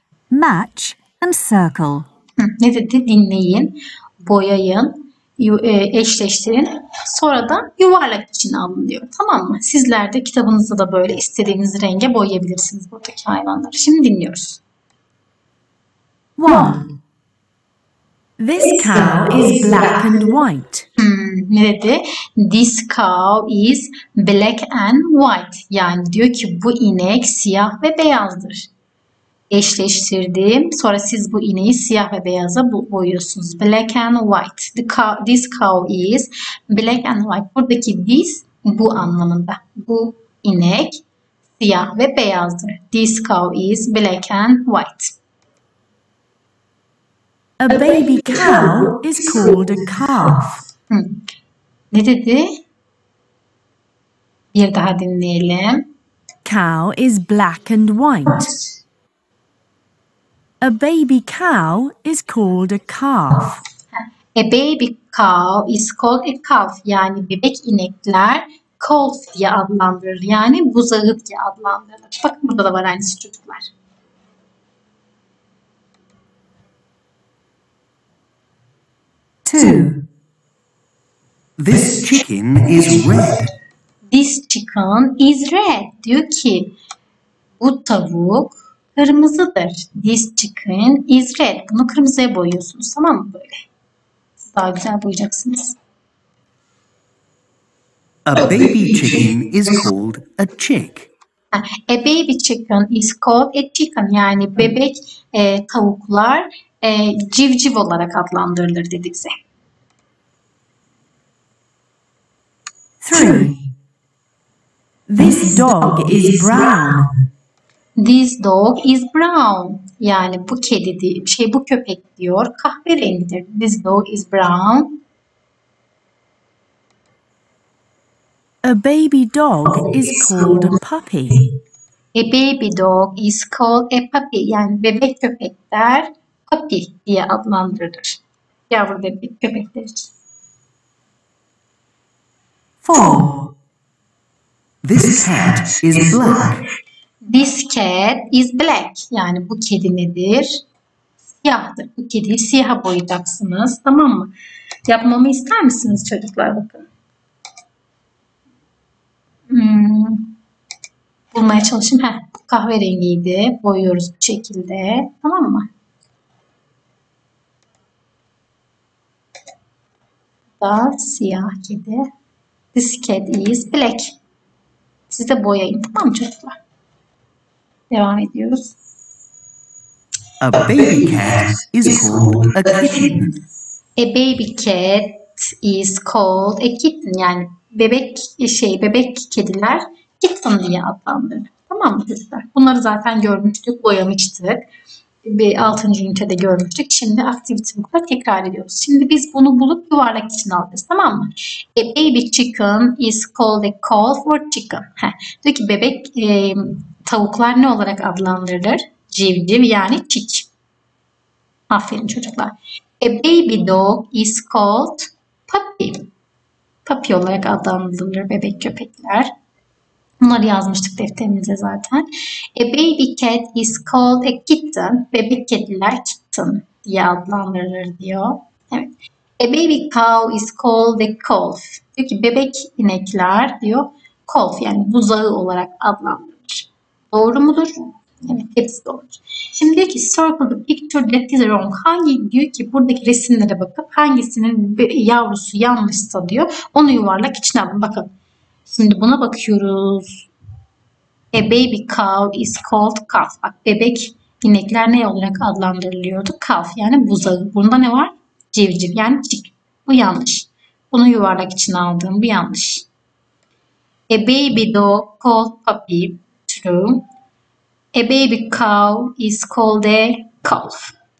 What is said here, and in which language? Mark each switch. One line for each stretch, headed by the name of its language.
English: Match and circle.
Turkish: Ne dedi? Dinleyin. Boyayın. Eşleştirin. Sonra da yuvarlak içine alın diyor. Tamam mı? Sizler de kitabınızda da böyle istediğiniz renge boyayabilirsiniz buradaki hayvanları. Şimdi dinliyoruz.
English: 1. This cow is black and white.
Turkish: Ne dedi?
English: This cow is black and white.
Turkish: Yani diyor ki bu inek siyah ve beyazdır. Eşleştirdim. Sonra siz bu ineği siyah ve beyaza boyuyorsunuz.
English: Black and white. This cow is black and white.
Turkish: Buradaki this bu anlamında. Bu inek siyah ve beyazdır.
English: This cow is black and white. A baby cow is called a calf.
Turkish: Ne dedi? Bir daha dinleyelim.
English: Cow is black and white. A baby cow is called a calf. A baby cow is called a calf.
Turkish: Yani bebek inekler calf diye adlandırılır. Yani buzağı diye adlandırılır. Bakın burada da var aynı çocuklar.
English: This chicken is red. This chicken is red.
Turkish: Diyor ki bu tavuk kırmızıdır.
English: This chicken is red.
Turkish: Bunu kırmızıya boyuyorsunuz, tamam mı böyle? Siz daha güzel boyayacaksınız.
English: A baby chicken is called a chick. A baby chicken is called a chicken.
Turkish: Yani bebek tavuklar civciv olarak adlandırılır dedi bize.
English: 3. This dog is brown. This dog is brown.
Turkish: Yani bu kedi diyor, bu köpek diyor, kahverengidir.
English: This dog is brown. A baby dog is called a puppy. A baby dog is called a puppy.
Turkish: Yani bebek köpekler puppy diye adlandırılır. Yavru bebek köpekler için.
English: 4. This cat is black. This cat is black.
Turkish: Yani bu kedi nedir? Siyahdır. Bu kediyi siyah boyayacaksınız. Tamam mı? Yapmamı ister misiniz çocuklar? Bakın. Bulmaya çalışayım. Heh, bu kahverengiydi. Boyuyoruz bu şekilde. Tamam mı? Da siyah kedi.
English: This cat is black.
Turkish: Siz de boyayın, tamam mı çocuklar? Devam ediyoruz.
English: A baby cat is called a kitten. A baby cat is called a kitten.
Turkish: Yani bebek kediler kitten diye adlandırılır. Tamam mı çocuklar? Bunları zaten görmüştük, boyamıştık. Bir altıncı ünitede görmüştük. Şimdi activity book'ta tekrar ediyoruz. Şimdi biz bunu bulup yuvarlak içine alacağız. Tamam mı?
English: A baby chicken is called a call for chicken.
Turkish: Diyor ki bebek tavuklar ne olarak adlandırılır? Civciv yani çiç. Aferin çocuklar.
English: A baby dog is called puppy.
Turkish: Puppy olarak adlandırılır bebek köpekler. Bunları yazmıştık defterimize zaten.
English: A baby cat is called a kitten.
Turkish: Bebek kediler kitten diye adlandırılır diyor. Evet.
English: A baby cow is called a calf.
Turkish: Diyor ki bebek inekler diyor. Calf yani buzağı olarak adlandırılır. Doğru mudur? Evet, hepsi doğru. Şimdi diyor ki
English: circle the picture that is wrong.
Turkish: Hangi diyor ki buradaki resimlere bakıp hangisinin yavrusu yanlışsa diyor. Onu yuvarlak içine alın. Bakın. Şimdi buna bakıyoruz. A baby cow is called calf. Bak bebek inekler ne olarak adlandırılıyordu? Calf yani buzağı. Bunda ne var? Civciv yani çik. Bu yanlış. Bunu yuvarlak içine aldığım bu yanlış.
English: A baby dog called puppy. True. A baby cow is called a calf.